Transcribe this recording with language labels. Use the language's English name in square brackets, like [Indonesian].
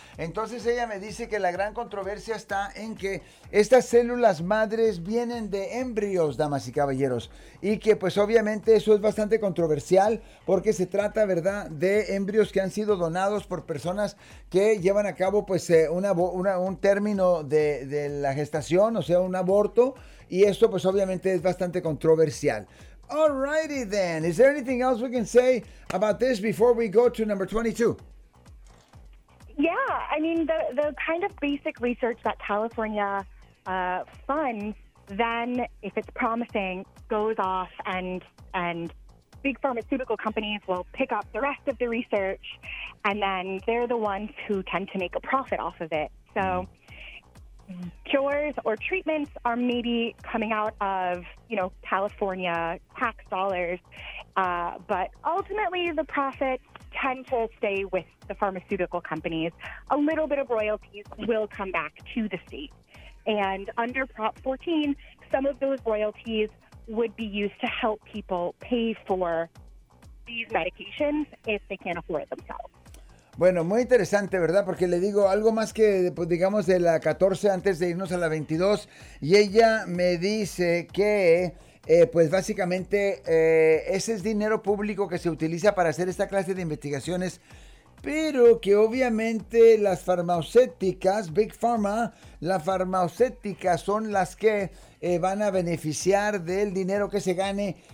[Spanish] Entonces ella me dice que la gran controversia está en que estas células madres vienen de embrios, damas y caballeros, y que pues obviamente eso es bastante controversial porque se trata, ¿verdad?, de embrios que han sido donados por personas que llevan a cabo pues un término de la gestación, o sea, un aborto. Y esto, pues, obviamente, es bastante controversial. All righty, then. [English] Is there anything else we can say about this before we go to number 22? Yeah. I mean, the kind of basic research that California funds, then, if it's promising, goes off and big pharmaceutical companies will pick up the rest of the research, and then they're the ones who tend to make a profit off of it. So cures or treatments are maybe coming out of, you know, California tax dollars, but ultimately the profits tend to stay with the pharmaceutical companies. A little bit of royalties will come back to the state. And under Prop 14, some of those royalties would be used to help people pay for these medications if they can't afford themselves. [Spanish] Bueno, muy interesante, ¿verdad? Porque le digo algo más que, pues, digamos, de la 14 antes de irnos a la 22. Y ella me dice que, básicamente, ese es dinero público que se utiliza para hacer esta clase de investigaciones. Pero que, obviamente, las farmacéuticas, Big Pharma, las farmacéuticas son las que van a beneficiar del dinero que se gane.